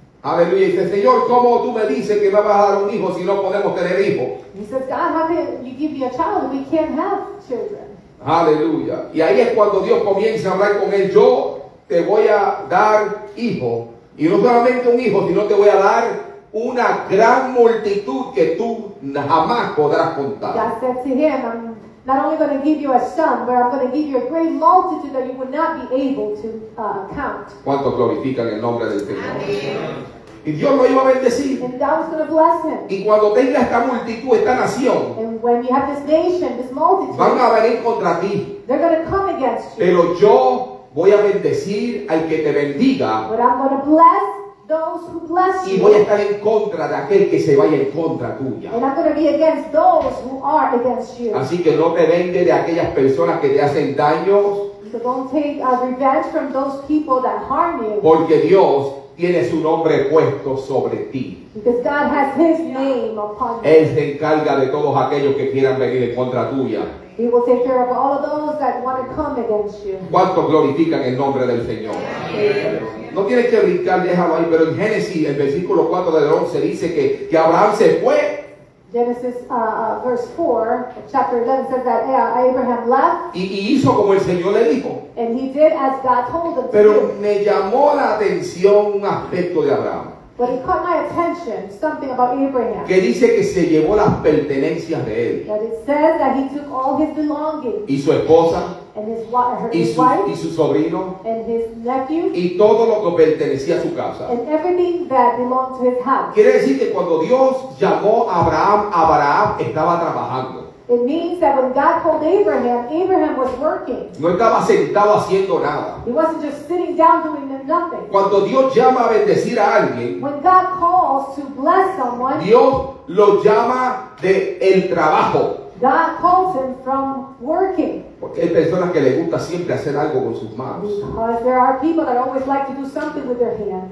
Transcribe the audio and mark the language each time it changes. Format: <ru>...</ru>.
<es>Aleluya, dice, Señor, ¿cómo tú me dices que me vas a dar un hijo si no podemos tener hijos?</es> <en>He says, God, how can you give me a child if we can't have children?</en> <es>Aleluya. Y ahí es cuando Dios comienza a hablar con él. Yo te voy a dar hijo. Y no solamente un hijo, sino te voy a dar una gran multitud que tú jamás podrás contar.</es> <en>God said to him, I'm not only going to give you a son, but I'm going to give you a great multitude that you would not be able to count.</en> <es>¿Cuántos glorifican el nombre del Señor? Y Dios lo iba a bendecir.</es> <en>And God was going to bless him.</en> <es>Y cuando tenga esta multitud, esta nación,</es> <en>and when you have this nation, this multitude,</en> <es>van a venir contra ti.</es> <en>They're going to come against you.</en> <es>Pero yo voy a bendecir al que te bendiga.</es> <en>But I'm going to bless those who bless you.</en> <es>Y voy a estar en contra de aquel que se vaya en contra tuya.</es> <en>And I'm going to be against those who are against you.</en> <es>Así que no te vengues de aquellas personas que te hacen daño.</es> <en>So don't take revenge from those people that harm you.</en> <es>Porque Dios tiene su nombre puesto sobre ti.</es> <en>Because God has his name upon you.</en> <es>Él se encarga de todos aquellos que quieran venir en contra tuya.</es> <en>He will take care of all of those that want to come against you.</en> <es>¿Cuántos glorifican el nombre del Señor? No tienes que brincar, déjalo ahí, pero en Génesis, el versículo 4 del 11 dice que Abraham se fue.</es> <en>Genesis verse 4, chapter 11 says that Abraham left.</en> <es>Y hizo como el Señor le dijo.</es> <en>And he did as God told him to.</en> <es>Pero me llamó la atención un aspecto de Abraham.</es> <en>But he caught my attention, something about Abraham.</en> <es>Que dice que se llevó las pertenencias de él.</es> <en>That it says that he took all his belongings.</en> <es>Y su esposa.</es> <en>And his wife.</en> <es>Y su sobrino.</es> <en>And his nephew.</en> <es>Y todo lo que pertenecía a su casa.</es> <en>And everything that belonged to his house.</en> <es>Quiere decir que cuando Dios llamó a Abraham, Abraham estaba trabajando.</es> <en>It means that when God called Abraham, Abraham was working.</en> <es>No estaba sentado haciendo nada.</es> <en>He wasn't just sitting down doing nothing.</en> <es>Cuando Dios llama a bendecir a alguien,</es> <en>when God calls to bless someone,</en> <es>Dios lo llama de el trabajo.</es> <en>God calls him from working.</en> <es>Porque hay personas que le gusta siempre hacer algo con sus manos.</es> <en>Because there are people that always like to do something with their hands.</en>